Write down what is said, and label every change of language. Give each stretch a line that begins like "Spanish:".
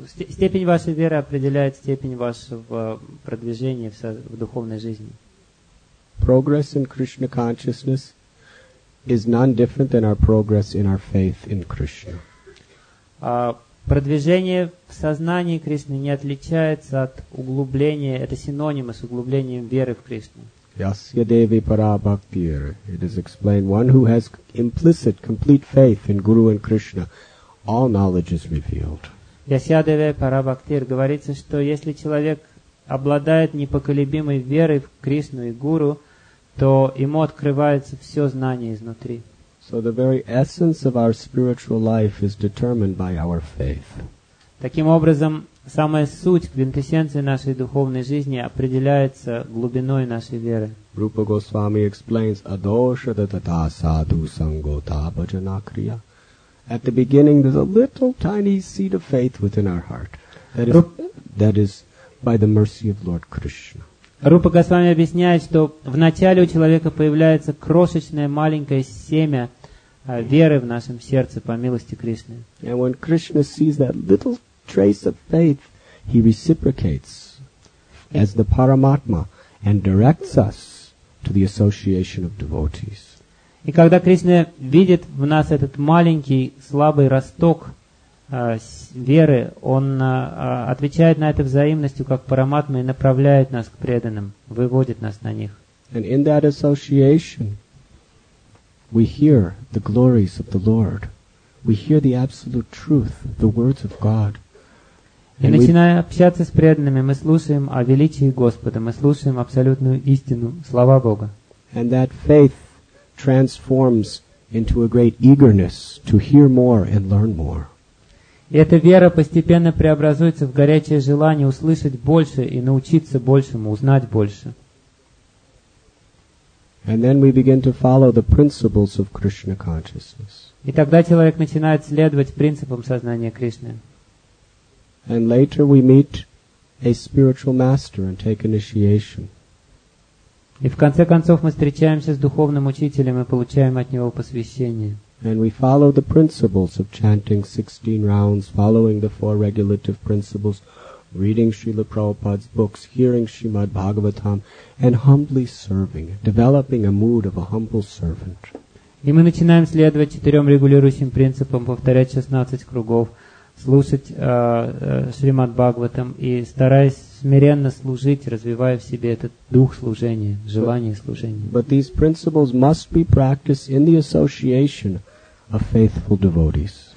Russian: Степень вашей веры определяет степень вашего продвижения в духовной жизни.
English: Progress in Krishna consciousness is none different than our progress in our faith in Krishna.
Russian: Продвижение в сознании Кришны не отличается от углубления, это синонимы с углублением веры в Кришну.
Sanskrit: Yasya Devi Parabhaktir.
English: It is explained, one who has implicit, complete faith in Guru and Krishna, all knowledge is revealed.
Sanskrit: Yasya Devi Parabhaktir.
Russian: Говорится, что если человек обладает непоколебимой верой в Кришну и Гуру, то ему открывается все знание изнутри.
English: So the very essence of our spiritual life is determined by our faith.
Russian: Таким образом, самая суть, квинтэссенция нашей духовной жизни определяется глубиной нашей веры.
English: Rupa Goswami explains
Sanskrit: adosha tatata sadhu sangota bhajana kriya.
English: At the beginning, there's a little tiny seed of faith within our heart. That is by the mercy of Lord Krishna.
Russian: Rupa Goswami объясняет, что в начале у человека появляется крошечное маленькое семя веры в нашем сердце по милости Кришны.
English: And when Krishna sees that little trace of faith, he reciprocates as the Paramatma and directs us to the association of devotees.
Russian: И когда Кришна видит в нас этот маленький слабый росток веры, он отвечает на это взаимностью как Параматма и направляет нас к преданным, выводит нас на них.
English: And in that association we hear the glories of the Lord. We hear the absolute truth, the words of God.
Russian: И начиная общаться с преданными, мы слушаем о величии Господа, мы слушаем абсолютную истину, слова Бога.
English: And that faith transforms into a great eagerness to hear more and learn more.
Russian: И эта вера постепенно преобразуется в горячее желание услышать больше и научиться большему, узнать больше.
English: And then we begin to follow the principles of Krishna consciousness.
Russian: И тогда человек начинает следовать принципам сознания Кришны.
English: And later we meet a spiritual master and take initiation.
Russian: И в конце концов мы встречаемся с духовным учителем и получаем от него посвящение.
English: And we follow the principles of chanting 16 rounds, following the four regulative principles, reading Srila Prabhupada's books, hearing Srimad Bhagavatam, and humbly serving, developing a mood of a humble servant.
Russian: И мы начинаем следовать четырем регулирующим принципам, повторять 16 кругов, слушать Шримад Бхагаватам и стараясь смиренно служить, развивая в себе этот дух служения, желание служения.
English: But these principles must be practiced in the association of faithful devotees.